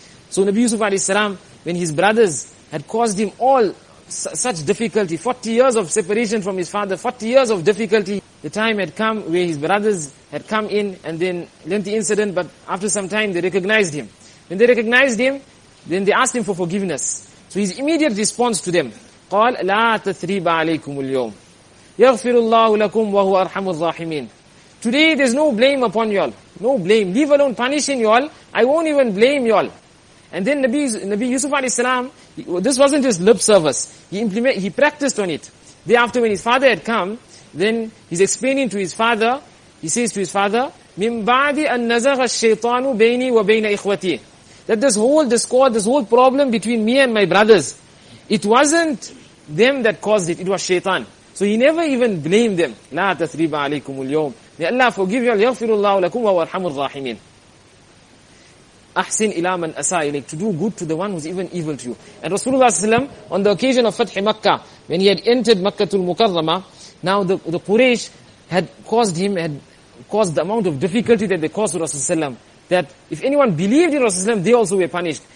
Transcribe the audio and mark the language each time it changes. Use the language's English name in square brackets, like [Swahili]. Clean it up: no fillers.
[English] So Nabi Yusuf a.s., when his brothers had caused him all such difficulty, 40 years of separation from his father, 40 years of difficulty, the time had come where his brothers had come in and then lengthy incident, but after some time they recognized him. When they recognized him, then they asked him for forgiveness. So his immediate response to them, [Arabic] قال لا تثريب عليكم اليوم يغفر الله لكم وهو أرحم الراحمين. [English] Today there's no blame upon y'all. No blame. Leave alone punishing y'all. I won't even blame y'all. And then Nabi Yusuf a.s., this wasn't his lip service. He practiced on it. Thereafter, when his father had come, then he's explaining to his father, he says to his father, [Arabic] مِن بَعْدِ أَنَّزَغَ الشَّيْطَانُ بَيْنِي وَبَيْنَ إِخْوَتِي. [English] That this whole discord, this whole problem between me and my brothers, it wasn't them that caused it, it was shaitan. So he never even blamed them. [Arabic] لَا تَثْرِيبَ عَلَيْكُمُ الْيَوْمِ. [English] May Allah forgive you, [Arabic] يَغْفِرُ اللَّهُ لَكُمْ وَوَرْحَمُ الرَّاحِمِينَ. أحسن إلى من أساء إليك, [English] to do good to the one who's even evil to you. And Rasulullah ﷺ, on the occasion of Fath Makkah, when he had entered Makkatul Mukarramah, now the Quraysh had caused the amount of difficulty that they caused to Rasulullah ﷺ, that if anyone believed in Rasulullah ﷺ, they also were punished.